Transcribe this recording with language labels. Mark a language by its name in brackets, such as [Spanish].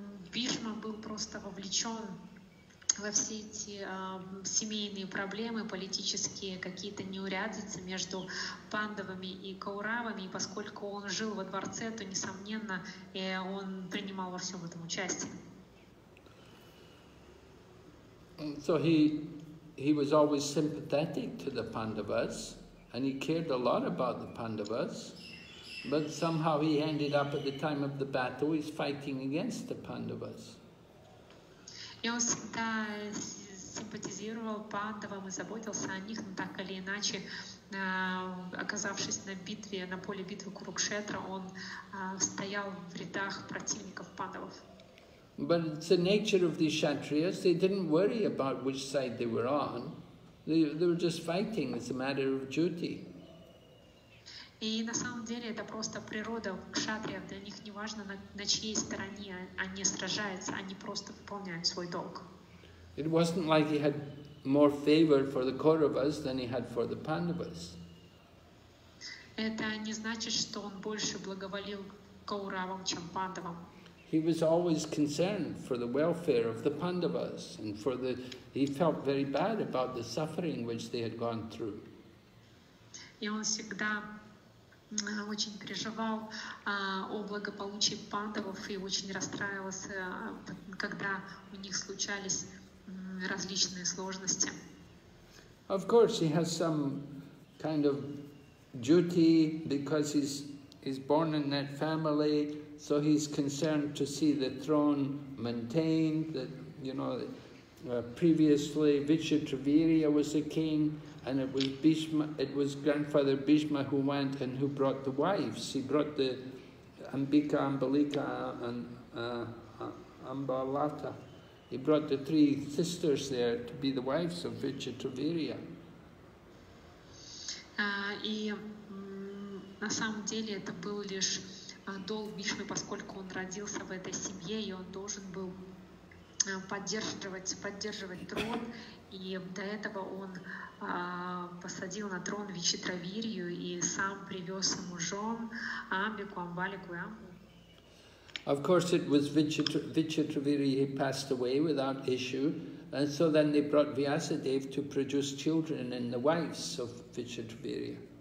[Russian] Бхишма был просто вовлечен во все эти семейные проблемы, политические какие-то неурядицы между пандавами и кауравами, и поскольку он жил во дворце, то, несомненно, он принимал во всем этом участие. [English] So he was always sympathetic to the Pandavas, and he cared a lot about the Pandavas, but somehow he ended up at the time of the battle, he's fighting against the Pandavas. [Russian] И он всегда симпатизировал Пандавам и заботился о них, но так или иначе, оказавшись на битве, на поле битвы Курукшетра, он стоял в рядах противников Пандавов. [English] But it's the nature of the Kshatriyas, they didn't worry about which side they were on. They were just fighting, it's a matter of duty. [Russian] И на самом деле это просто природа кшатриев, для них не важно на чьей стороне они сражаются, они просто выполняют свой долг. [English] It wasn't like he had more favor for the Kauravas than he had for the Pandavas. [Russian] Это не значит, что он больше благоволил Кауравам, чем Пандавам. [English] He was always concerned for the welfare of the Pandavas and for the he felt very bad about the suffering which they had gone through. [Russian] И он всегда очень переживал о благополучии Пандавов и очень расстраивался, когда у них случались различные сложности. [English] Of course, he has some kind of duty because he's born in that family, so he's concerned to see the throne maintained. That you know, previously Vichitravirya was the king. And it was Bhishma, it was grandfather Bhishma who went and who brought the wives. He brought the Ambika, Ambalika, and Ambalata. He brought the three sisters there to be the wives of Vichitravirya. [Russian] И на самом деле это был лишь долг Бишмы, поскольку он родился в этой семье, и он должен был поддерживать трон. И до этого он посадил на трон Вичитравирью и сам привез ему жен Амбику, Амбалику и Амбу. [English] Of course, it was Vichitravirya who passed away without issue, and so then they brought Vyasadev to produce children and the wives of Vichitravirya.